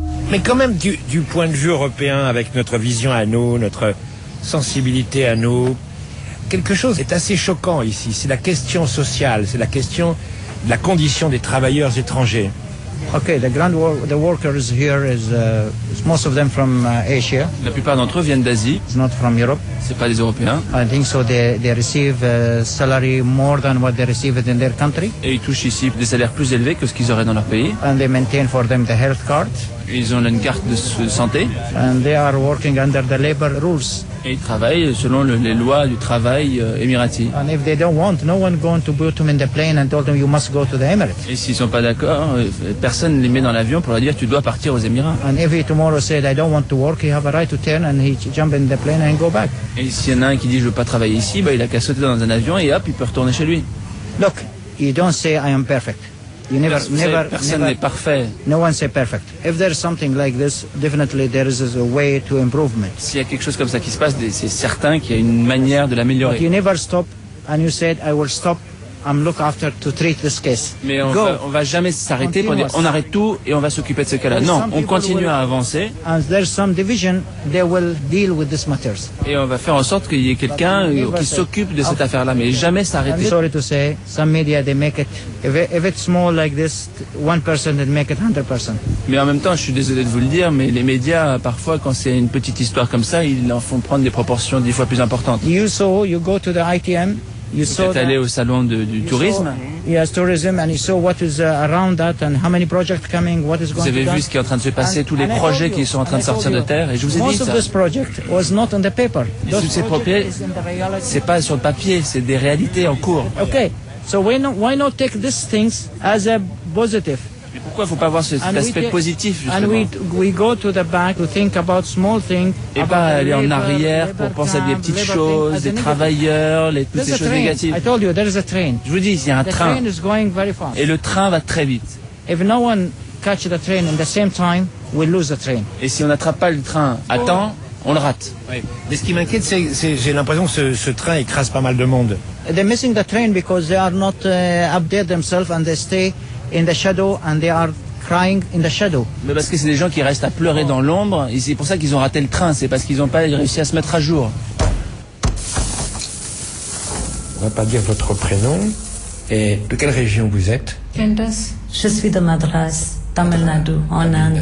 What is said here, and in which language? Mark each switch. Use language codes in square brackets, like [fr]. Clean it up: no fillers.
[fr] Mais quand même, du point de vue européen, avec notre vision à nous, notre sensibilité à nous, quelque chose est assez choquant ici. C'est la question sociale, c'est la question de la condition des travailleurs étrangers. [en] Okay, the workers here is most of them from Asia. [fr] La plupart d'entre eux viennent d'Asie. [en] It's not from Europe. [fr] C'est pas des Européens. [en] I think so. They receive salary more than what they receive in their country. [fr] Et ils touchent ici des salaires plus élevés que ce qu'ils auraient dans leur pays. [en] And they maintain for them the health card. [fr] Ils ont une carte de santé. [en] And they are working under the labor rules. [fr] Et ils travaillent selon les lois du travail émirati. [en] And if they don't want, no one going to put them in the plane and told them you must go to the Emirates. [fr] Et s'ils sont pas d'accord, personne les met dans l'avion pour leur dire tu dois partir aux Émirats. [en] And if he tomorrow said I don't want to work, he have a right to turn and he jump in the plane and go back. [fr] Et s'il y en a un qui dit je veux pas travailler ici, bah il a qu'à sauter dans un avion et hop il peut retourner chez lui. [en] Look, you don't say I am perfect. You never, [fr] personne n'est parfait. [en] No one say perfect. If there's something like this, definitely there is a way to improvement. [fr] S'il y a quelque chose comme ça qui se passe, c'est certain qu'il y a une manière de l'améliorer. [en] But you never stop, and you said I will stop. I'm look after to treat this case. [fr] Mais on va jamais s'arrêter pour dire on arrête tout et on va s'occuper de ce cas-là. Non, on continue à avancer. [en] And there's some division, they will deal with this matters. [fr] Et on va faire en sorte qu'il y ait quelqu'un qui s'occupe de cette affaire-là, mais jamais s'arrêter. [en] I'm sorry to say, some media they make it. If it's small like this, one person they make it 100 person. [fr] Mais en même temps, je suis désolé de vous le dire, mais les médias parfois, quand c'est une petite histoire comme ça, ils en font prendre des proportions 10 fois plus importantes. [en] You saw, you go to the ITM. [fr] Vous êtes allé au salon du tourisme. [en] Yes, tourism, and you saw what is around that, and how many projects coming, what is going to. [fr] Vous avez vu ce qui est en train de se passer, tous les projets qui sont en train de sortir de terre, et je vous ai dit ça. [en] Most of this project was not on the paper. [fr] Tous ces projets, c'est pas sur le papier, c'est des réalités en cours. [en] Okay, so why not take these things as a positive? [fr] Pourquoi il ne faut pas voir cet aspect positif, justement? [en] And we go to the back to think about small things. [fr] Et pas aller en arrière pour penser à des petites choses, des travailleurs, toutes ces choses négatives. [en] I told you, there is a train. [fr] Je vous dis, il y a un train. [en] The train is going very fast. [fr] Et le train va très vite. [en] If no one catches the train in the same time, we lose the train. [fr] Et si on n'attrape pas le train à temps, on le rate. Oui. Mais ce qui m'inquiète, c'est j'ai l'impression que ce train écrase pas mal de monde. [en] They're missing the train because they are not updated themselves and they stay in the shadow and they are crying in the shadow. [fr] Mais parce que c'est des gens qui restent à pleurer dans l'ombre, et c'est pour ça qu'ils ont raté le train, c'est parce qu'ils n'ont pas réussi à se mettre à jour. On va pas dire votre prénom et de quelle région vous êtes. Kendas. Je suis de Madras, Tamil Nadu, en Inde.